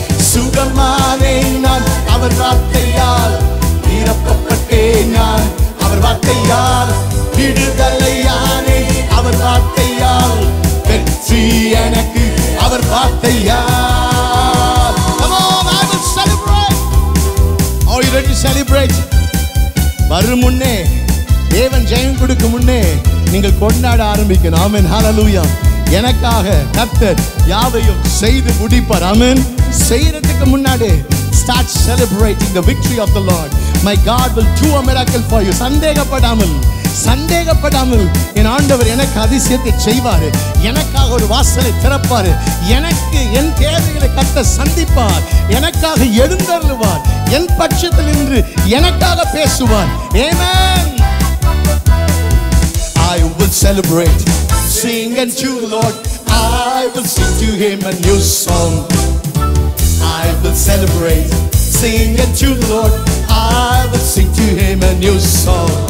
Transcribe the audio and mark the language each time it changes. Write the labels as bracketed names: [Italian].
[Tamil] சுகமானேன் நான் அவர் வார்த்தையால், நிரப்பப்பட்டேன் நான் அவர் வார்த்தையால், விடுதலையானேன் அவர் வார்த்தையால், வெற்றி எனக்கு அவர் வார்த்தையால். [English] Come on, I will celebrate. Are you ready to celebrate? [Tamil] வரும் முன்னே தேவன் ஜெயம் கொடுக்கும் முன்னே நீங்கள் கொண்டாட ஆரம்பிக்கணும். ஆமென். ஹல்லேலூயா. எனக்காக கர்த்தர் யாவையும் செய்து முடிப்பார். ஆமென். செய்யறதுக்கு முன்னாடி [English] Start celebrating the victory of the Lord. My God will do a miracle for you. [Tamil] சந்தேகப்படாமல், சந்தேகப்படாமல் என் ஆண்டவர் எனக்கு அதிசயத்தை செய்வார். எனக்காக ஒரு வாசலை திறப்பார். எனக்கு என் தேவைகளை கர்த்தர் சந்திப்பார். எனக்காக எழுந்தருளுவார். என் பட்சத்தில் நின்று எனக்காக பேசுவார். ஆமென். [English] I will celebrate, sing and to the Lord. I will sing to Him a new song. I will celebrate, sing and to the Lord. I will sing to Him a new song.